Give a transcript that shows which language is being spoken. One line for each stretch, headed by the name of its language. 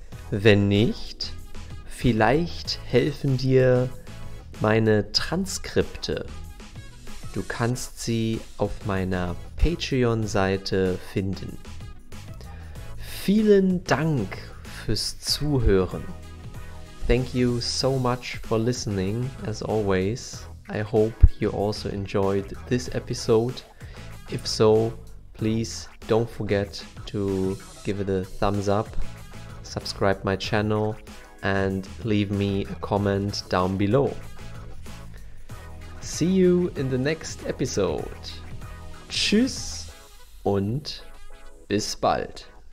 German: Wenn nicht, vielleicht helfen dir meine Transkripte. Du kannst sie auf meiner Patreon-Seite finden. Vielen Dank fürs Zuhören.
English: Thank you so much for listening, as always. I hope you also enjoyed this episode. If so, please don't forget to give it a thumbs up, subscribe my channel, and leave me a comment down below. See you in the next episode.
German: Tschüss und bis bald.